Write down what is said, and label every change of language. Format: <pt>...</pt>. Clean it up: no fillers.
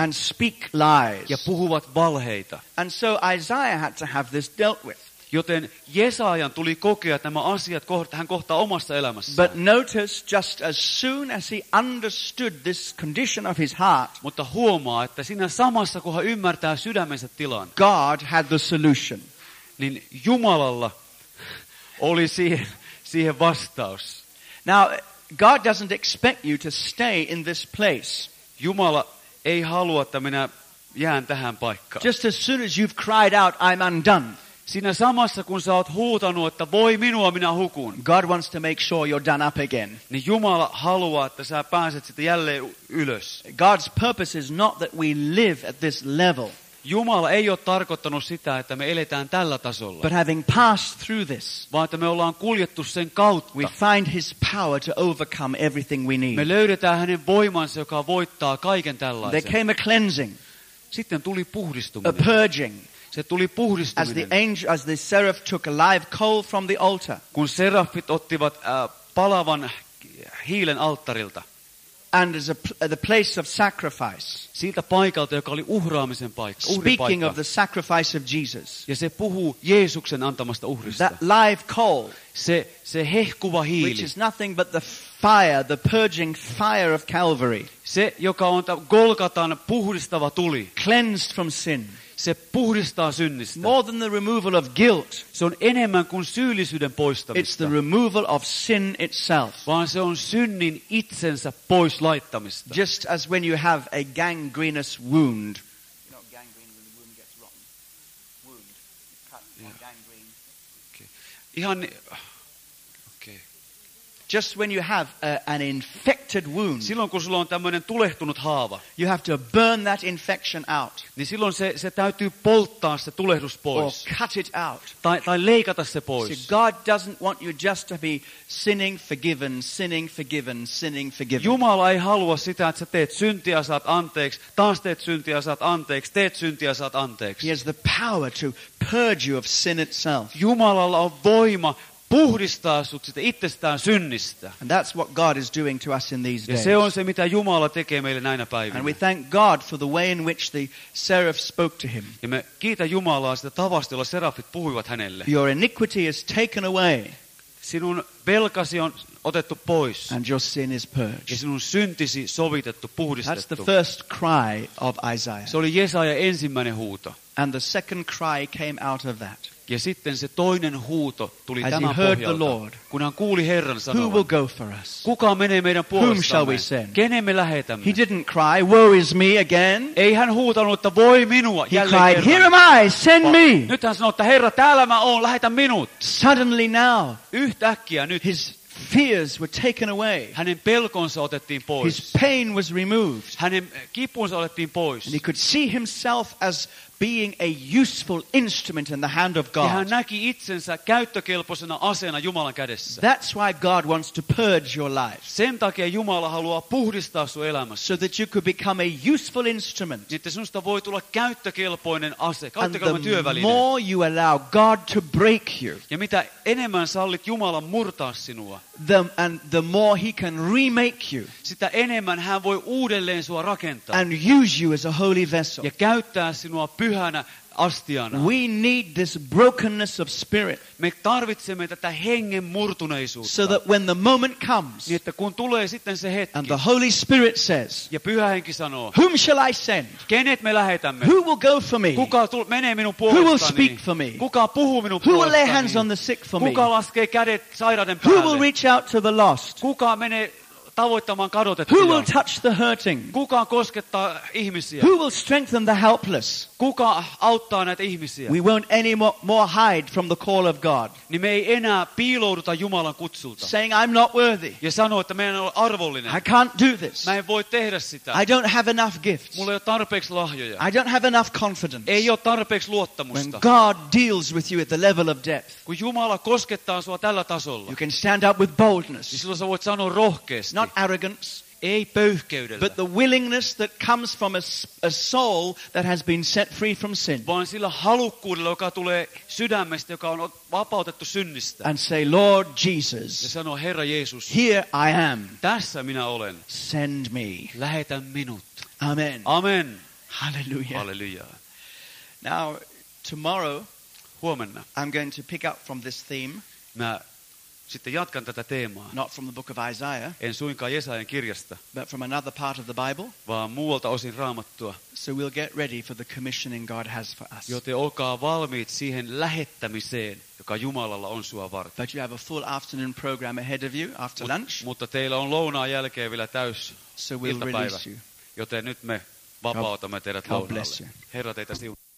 <en>And speak lies.</en> <fi>Ja puhuvat valheita.</fi> <en>And so Isaiah had to have this dealt with.</en> <fi>Joten Jesajan tuli kokea nämä asiat hän kohtaa omassa elämässään.</fi> <en>But notice just as soon as he understood this condition of his heart.</en> <fi>Mutta huomaa, että siinä samassa kun hän ymmärtää sydämensä tilan.</fi> <en>God had the solution.</en> <fi>Niin Jumalalla oli siihen vastaus.</fi> <en>Now, God doesn't expect you to stay in this place.</en> <fi>Jumala ei halua, että minä jään tähän paikkaan.</fi> <en>Just as soon as you've cried out, I'm undone.</en> <fi>Siinä samassa, kun sä oot huutanut, että voi minua, minä hukun.</fi> <en>God wants to make sure you're done up again.</en> <fi>Niin Jumala haluaa, että sä pääset sitten jälleen ylös.</fi> <en>God's purpose is not that we live at this level.</en> <fi>Jumala ei ole tarkoittanut sitä, että me eletään tällä tasolla.</fi> <en>But having passed through this,</en> <fi>vaan että me ollaan kuljettu sen kautta.</fi> <en>We find his power to overcome everything we need.</en> <fi>Me löydetään hänen voimansa, joka voittaa kaiken tällaisen.</fi> <en>There came a cleansing.</en> <fi>Sitten tuli puhdistuminen.</fi> <en>A purging.</en> <fi>Se tuli puhdistuminen.</fi> <en>As the seraph took a live coal from the altar.</en> <fi>Kun seraphit ottivat palavan hiilen alttarilta.</fi> <en>And as the place of sacrifice.</en> <fi>Siitä paikalta, joka oli uhraamisen paikka.</fi> <en>Speaking of the sacrifice of Jesus.</en> <fi>Ja se puhuu Jeesuksen antamasta uhrista.</fi> <en>That live coal.</en> <fi>Se hehkuva hiili.</fi> <en>Which is nothing but the fire, the purging fire of Calvary.</en> <fi>Se, joka on Golgatan puhdistava tuli.</fi> <en>Cleansed from sin.</en> <fi>Se puhdistaa synnistä.</fi> <en>More than the removal of guilt.</en> <fi>Se on enemmän kuin syyllisyyden poistamista.</fi> <en>It's the removal of sin itself.</en> <fi>Vaan se on synnin itsensä pois laittamista.</fi> <en>Just as when you have a gangrenous wound. Not gangrene, when the wound gets rotten. Wound. Cut, yeah. Not gangrene. Okay. Ihan. Okay. Just when you have an infected wound.</en> <fi>Silloin kun sulla on tämmöinen tulehtunut haava.</fi> <en>You have to burn that infection out.</en> <fi>Niin silloin se täytyy polttaa se tulehdus pois.</fi> <en>Or cut it out.</en> <fi>Tai leikata se pois.</fi> <en>So God doesn't want you just to be sinning forgiven, sinning forgiven, sinning forgiven.</en> <fi>Jumala ei halua sitä, että sä teet syntiä, saat anteeksi. Taas teet syntiä, saat anteeksi. Teet syntiä, saat anteeksi.</fi> <en>He has the power to purge you of sin itself.</en> <fi>Jumalalla on voima puhdistaa sut sitä itsestään synnistä.</fi> <en>And that's what God is doing to us in these days.</en> <fi>Ja se on se, mitä Jumala tekee meille näinä päivinä.</fi> <en>And we thank God for the way in which the seraph spoke to him.</en> <fi>Ja me kiitä Jumalaa sitä tavasta, jolla serafit puhuivat hänelle.</fi> <en>Your iniquity is taken away.</en> <fi>Sinun velkasi on otettu pois.</fi> <en>And your sin is purged.</en> <fi>Ja sinun syntisi sovitettu, puhdistettu.</fi> <en>That's the first cry of Isaiah.</en> <fi>Se oli Jesaja ensimmäinen huuto.</fi> <en>And the second cry came out of that.</en> <fi>Ja sitten se toinen huuto tuli</fi> <en>as</en> <fi>tämän</fi> <en>he heard the Lord,</en> <fi>pohjalta, kun hän kuuli Herran sanovan.</fi> <en>Who will go for us?</en> <fi>Kuka menee meidän puolestamme?</fi> <en>Whom shall we send?</en> <fi>Kenen me lähetämme?</fi> <en>He didn't cry, woe is me again.</en> <fi>Ei hän huutanut, että voi minua.</fi> <en>He cried, here am I, send me.</en> <fi>Nyt hän sanoi, että Herra, täällä mä oon, lähetä minut.</fi> <en>Suddenly now.</en> <fi>Yhtäkkiä nyt.</fi> <en>His fears were taken away.</en> <fi>Hänen pelkonsa otettiin pois.</fi> <en>His pain was removed.</en> <fi>Hänen kipunsa otettiin pois.</fi> <en>And he could see himself as being a useful instrument in the hand of God.</en> <fi>Ja hän näki itsensä käyttökelpoisena aseena Jumalan kädessä.</fi> <en>That's why God wants to purge your life.</en> <fi>Sen takia Jumala haluaa puhdistaa sun elämässä.</fi> <en>So that you could become a useful instrument.</en> <fi>Että sinusta voi tulla käyttökelpoinen ase, käyttökelpoinen työväline.</fi> <en>And the more you allow God to break you.</en> <fi>Ja mitä enemmän sallit Jumalan murtaa sinua.</fi> <en>The more he can remake you.</en> <fi>Sitä enemmän hän voi uudelleen sua rakentaa.</fi> <en>And use you as a holy vessel.</en> <fi>Ja käyttää sinua pyhänä astiana.</fi> <en>We need this brokenness of spirit.</en> <fi>Me tarvitsemme tätä hengen murtuneisuutta.</fi> <en>So that when the moment comes.</en> <fi>Niin että kun tulee sitten se hetki.</fi> <en>And the Holy Spirit says.</en> <fi>Ja pyhä henki sanoo.</fi> <en>Whom shall I send?</en> <fi>Kenet me lähetämme?</fi> <en>Who will go for me?</en> <fi>Kuka menee minun puolestani?</fi> <en>Who will speak for me?</en> <fi>Kuka puhuu minun puolestani?</fi> <en>Who will lay hands on the sick for me?</en> <fi>Kuka laskee kädet sairaiden päälle?</fi> <en>Who will reach out to the lost?</en> <fi>Kuka menee tavoittamaan kadotettuja?</fi> <en>Who will touch the hurting?</en> <fi>Kuka koskettaa ihmisiä?</fi> <en>Who will strengthen the helpless?</en> <fi>Kuka auttaa näitä ihmisiä?</fi> <en>We won't any more hide from the call of God.</en> <fi>Niin me ei enää piilouduta Jumalan kutsulta.</fi> <en>Saying I'm not worthy.</en> <fi>Ja sanoo, että me en ole arvollinen.</fi> <en>I can't do this.</en> <fi>Mä en voi tehdä sitä.</fi> <en>I don't have enough gifts.</en> <fi>Mulla ei ole tarpeeksi lahjoja.</fi> <en>I don't have enough confidence.</en> <fi>Ei ole tarpeeksi luottamusta.</fi> <en>When God deals with you at the level of depth.</en> <fi>Kun Jumala koskettaa sua tällä tasolla.</fi> <en>You can stand up with boldness.</en> <fi>Niin silloin sä voit sanoa rohkeasti.</fi> <en>Not arrogance.</en> <fi>Ei pöyhkeydellä.</fi> <en>But the willingness that comes from a soul that has been set free from sin.</en> <fi>Vaan sillä halukkuudella, joka tulee sydämestä, joka on vapautettu synnistä.</fi> <en>And say, Lord Jesus.</en> <fi>Ja sanoo, Herra Jeesus.</fi> <en>Here I am.</en> <fi>Tässä minä olen.</fi> <en>Send me.</en> <fi>Lähetä minut.</fi> <en>Amen. Amen. Hallelujah. Hallelujah. Now, tomorrow.</en> <fi>Huomenna.</fi> <en>I'm going to pick up from this theme.</en> <fi>Sitten jatkan tätä teemaa.</fi> <en>Not from the book of Isaiah,</en> <fi>en suinkaan Jesajan kirjasta,</fi> <en>but from another part of the Bible,</en> <fi>vaan muualta osin Raamattua.</fi> <en>So we'll get ready for the commissioning God has for us.</en> <fi>Joten olkaa valmiit siihen lähettämiseen, joka Jumalalla on sua varten.</fi> <en>But you have a full afternoon program ahead of you after lunch.</en> <fi>Mutta teillä on lounaan jälkeen vielä täys iltapäivä.</fi> <en>So we'll release you.</en> <fi>Joten nyt me vapautamme teidät lounaalle. Herra, teitä siunaa.</fi>